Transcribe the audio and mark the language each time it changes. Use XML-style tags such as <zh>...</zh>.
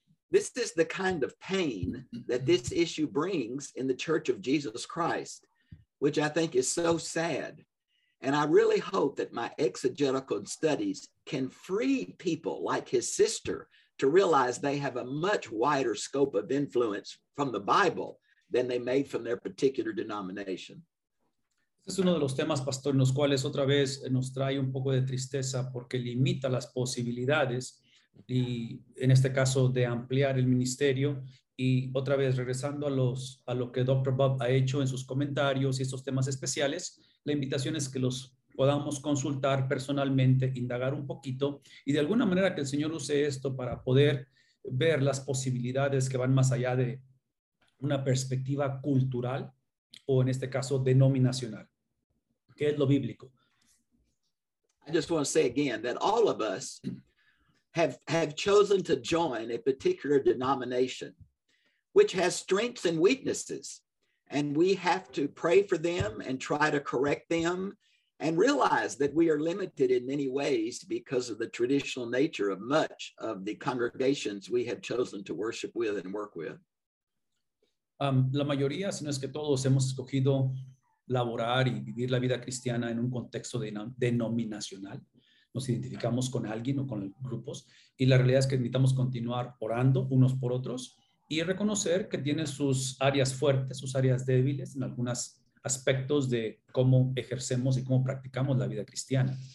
<en>This is the kind of pain that this issue brings in the Church of Jesus Christ, which I think is so sad. And I really hope that my exegetical studies can free people like his sister to realize they have a much wider scope of influence from the Bible than they may from their particular denomination.</en> <es>Este es uno de los temas, pastor, en los cuales otra vez nos trae un poco de tristeza porque limita las posibilidades y en este caso de ampliar el ministerio. Y otra vez, regresando a lo que Dr. Bob ha hecho en sus comentarios y estos temas especiales, la invitación es que los podamos consultar personalmente, indagar un poquito y de alguna manera que el Señor use esto para poder ver las posibilidades que van más allá de una perspectiva cultural o en este caso denominacional. ¿Qué es lo bíblico?</es> <en>I just want to say again that all of us have chosen to join a particular denomination, which has strengths and weaknesses, and we have to pray for them and try to correct them and realize that we are limited in many ways because of the traditional nature of much of the congregations we have chosen to worship with and work with.</en> <es>La mayoría, si no es que todos, hemos escogido laborar y vivir la vida cristiana en un contexto denominacional. Nos identificamos con alguien o con grupos, y la realidad es que necesitamos continuar orando unos por otros y reconocer que tiene sus áreas fuertes, sus áreas débiles en algunos aspectos de cómo ejercemos y cómo practicamos la vida cristiana.</es>